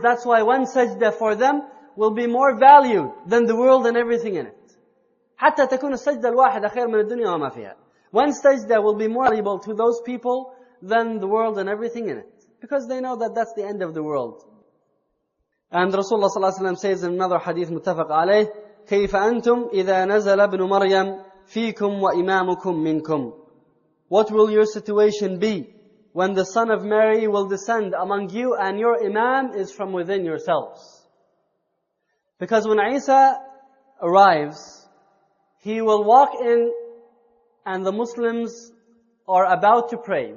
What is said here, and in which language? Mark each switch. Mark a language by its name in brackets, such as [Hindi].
[English] That's why one sajda for them will be more valued than the world and everything in it. [Arabic] حَتَّى تَكُونَ السَّجْدَ الْوَاحِدَ خَيْرٌ مِنَ الدُّنْيَا وَمَا فِيهَا. [English] One sajda will be more valuable to those people than the world and everything in it. Because they know that that's the end of the world. [Arabic] And Rasulullah صلى الله عليه وسلم [English] says in another hadith [Arabic] متفق عليه, كَيْفَ أَنْتُمْ إِذَا نَزَلَ ابْنُ مَرْيَمْ فِيكُمْ وَإِمَامُكُمْ مِنْكُمْ. [English] What will your situation be when the son of Mary will descend among you and your imam is from within yourselves? Because when Isa arrives, he will walk in and the Muslims are about to pray.